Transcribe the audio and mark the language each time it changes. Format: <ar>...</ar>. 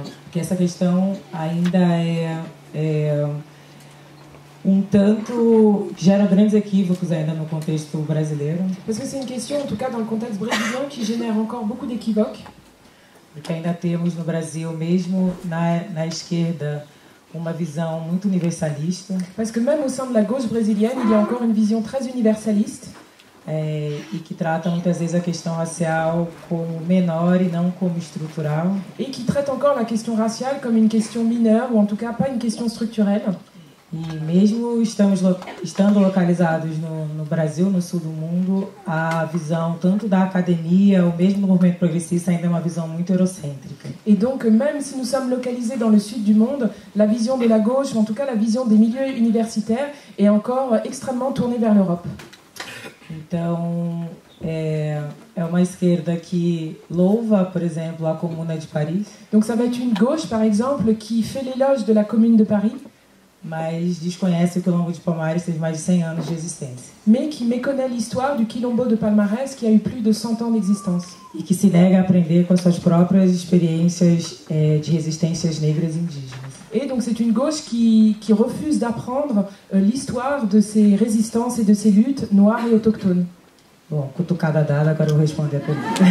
<pt>Que essa questão ainda é tanto gera grandes equívocos ainda no contexto brasileiro.</pt> <fr>Parce que c'est une question, en tout cas dans le contexte brésilien, qui génère encore beaucoup d'équivoques.</fr> <pt>Porque ainda temos no Brasil, mesmo na esquerda, uma visão muito universalista.</pt> <fr>Parce que même au sein de la gauche brésilienne, il y a encore une vision très universaliste.</fr> <pt>E que trata muitas vezes a questão racial como menor e não como estrutural.</pt> <fr>Et qui traite encore la question raciale comme une question mineure, ou en tout cas pas une question structurelle.</fr> <pt>E mesmo estando localizados no Brasil, no sul do mundo, a visão tanto da academia ou mesmo do movimento progressista ainda é uma visão muito eurocêntrica.</pt> <fr>E donc même si nous sommes localisés dans le sud du monde, la vision de la gauche, ou en tout cas la vision des milieux universitaires, est encore extrêmement tournée vers l'Europe.</fr> <pt>Então é uma esquerda que louva, por exemplo, a Comuna de Paris.</pt> <fr>Donc ça va être une gauche, par exemple, qui fait l'éloge de la Commune de Paris.</fr> <pt>Mas desconhece que o Quilombo de Palmares teve mais de 100 anos de existência.</pt> <fr>Mais qui méconnaît l'histoire du Quilombo de Palmares qui a eu plus de 100 ans d'existence.</fr> <pt>E que se nega a aprender com as suas próprias experiências de resistências negras e indígenas.</pt> <fr>Et donc c'est une gauche qui refuse d'apprendre l'histoire de ses résistances et de ses luttes noires et autochtones.</fr> <pt>Bom, cutucada dada, agora eu vou responder a pergunta.</pt>